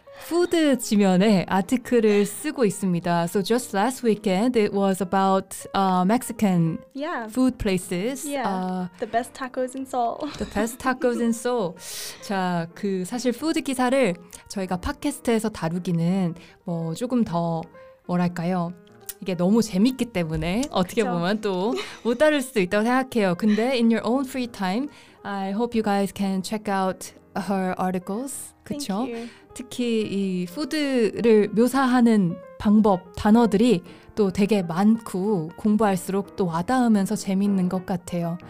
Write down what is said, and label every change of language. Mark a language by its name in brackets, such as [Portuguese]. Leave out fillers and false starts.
[Korean] 푸드 지면에 아티클을 쓰고 있습니다. [English] So just last weekend, it was about Mexican food places. The best tacos in Seoul. The best tacos in Seoul. [Korean] 자, 그 사실 푸드 기사를 저희가 팟캐스트에서 다루기는 뭐 조금 더 뭐랄까요? 이게 너무 재밌기 때문에 어떻게 그쵸? 보면 또 못 다룰 수도 있다고 생각해요. [English] 근데 in your own free time, I hope you guys can check out her articles. [Korean] 그쵸? [English] Thank you. [Korean] 특히 이 푸드를 묘사하는 방법, 단어들이 또 되게 많고 공부할수록 또 와닿으면서 재밌는 것 같아요.